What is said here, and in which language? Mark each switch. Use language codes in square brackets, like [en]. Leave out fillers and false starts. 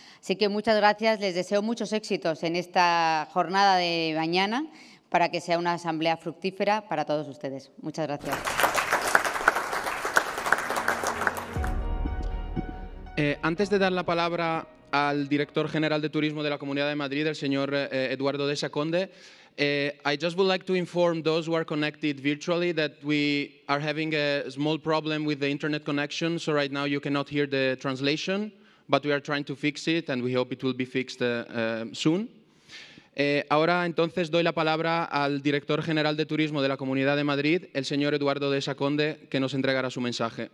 [es] Así que muchas gracias, les deseo muchos éxitos en esta jornada de mañana para que sea una asamblea fructífera para todos ustedes. Muchas gracias. Antes de dar la palabra al director general de Turismo de la Comunidad de Madrid, el señor Eduardo Deza Conde. [en] I just would like to inform those who are connected virtually that we are having a small problem with the internet connection, so right now you cannot hear the translation, but we are trying to fix it and we hope it will be fixed soon. [es] Ahora entonces doy la palabra al director general de Turismo de la Comunidad de Madrid, el señor Eduardo Deza Conde, que nos entregará su mensaje.